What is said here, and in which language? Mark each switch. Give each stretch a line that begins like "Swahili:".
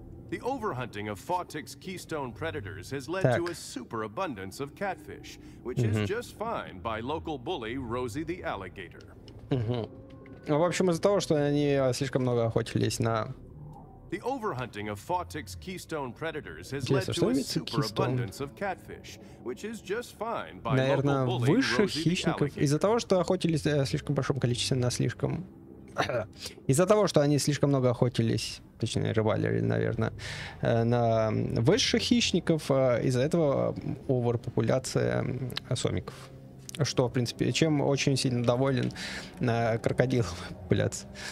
English: The overhunting of Fawtik's keystone predators has led
Russian: так.
English: to a superabundance of catfish, which is just fine by local bully Rosie the alligator.
Russian: Ну, в общем, из-за того, что они слишком много охотились на...
English: The overhunting of Fawtik's keystone predators has led to a superabundance of catfish, which is just fine by local bully Rosie the alligator.
Russian: Наверное, выше хищников из-за того, что охотились слишком большом количестве на слишком... Из-за того, что они слишком много охотились, точнее, рыбалили, наверное, на высших хищников, из-за этого оверпопуляция сомиков. Что, в принципе, чем очень сильно доволен крокодил популяция.